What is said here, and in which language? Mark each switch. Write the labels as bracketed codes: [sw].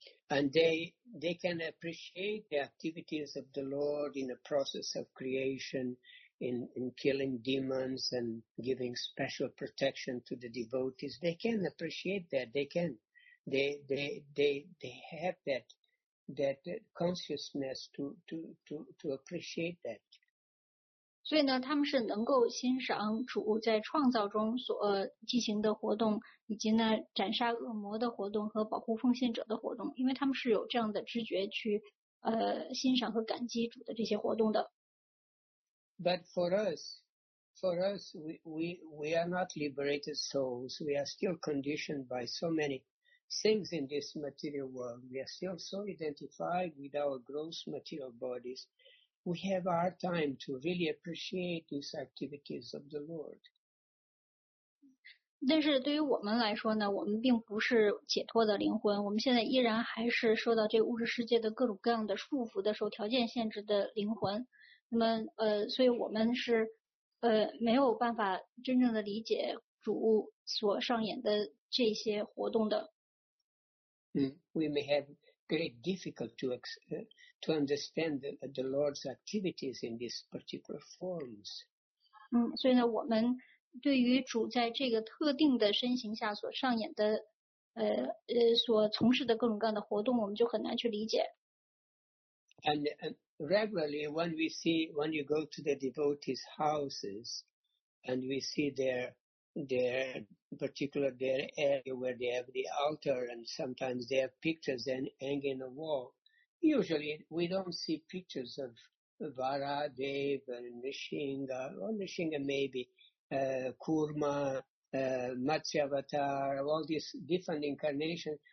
[en] And they can appreciate the activities of the Lord in the process of creation. In killing demons and giving special protection to the devotees, they can appreciate that. They can, they have that consciousness to appreciate that. [zh] 所以呢，他们是能够欣赏主在创造中所进行的活动，以及呢斩杀恶魔的活动和保护奉献者的活动，因为他们是有这样的知觉去欣赏和感激主的这些活动的。 [en] But for us, we are not liberated souls. We are still conditioned by so many things in this material world. We are still so identified with our gross material bodies. We have our time to really appreciate these activities of the Lord. [zh] 但是对于我们来说呢，我们并不是解脱的灵魂。我们现在依然还是受到这个物质世界的各种各样的束缚的，受条件限制的灵魂。那么所以我们是没有办法真正的理解主所上演的这些活动的。 [en] We may have great difficulty to understand the Lord's activities in these particular forms. [zh] 所以呢，我们对于主在这个特定的身形下所上演的所从事的各种各样的活动，我们就很难去理解。 [en] Regularly, when you go to the devotees' houses, and we see their particular their area where they have the altar, and sometimes they have pictures and hanging on the wall. Usually, we don't see pictures of Varadeva and Nrisinga, or Nrisinga maybe, Kurma, Matsyavatar, all these different incarnations.